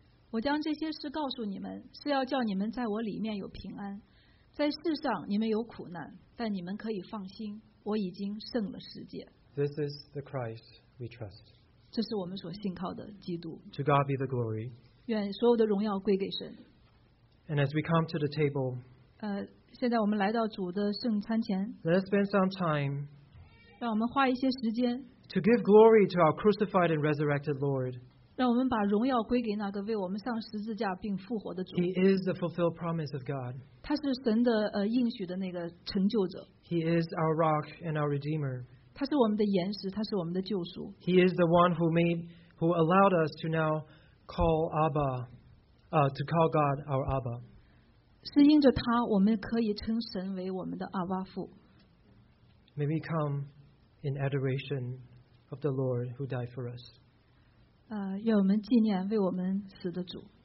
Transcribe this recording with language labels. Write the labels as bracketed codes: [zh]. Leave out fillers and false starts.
[zh] 我将这些事告诉你们，是要叫你们在我里面有平安。在世上你们有苦难，但你们可以放心，我已经胜了世界。 [en] This is the Christ we trust. [zh] 这是我们所信靠的基督。 [en] To God be the glory. [zh] 愿所有的荣耀归给神。 [en] And as we come to the table, [zh] 现在我们来到主的圣餐前。 [en] Let's spend some time. [zh] 让我们花一些时间。 [en] To give glory to our crucified and resurrected Lord. [zh] 让我们把荣耀归给那个为我们上十字架并复活的主。 [en] He is the fulfilled promise of God. [zh] 他是神的应许的那个成就者。 [en] He is our rock and our redeemer. [zh] 他是我们的岩石，他是我们的救赎。 [en] He is the one who allowed us to now call Abba, to call God our Abba. [zh] 是因着他，我们可以称神为我们的阿爸父。 [en] May we come in adoration of the Lord who died for us. [zh] 愿我们纪念为我们死的主。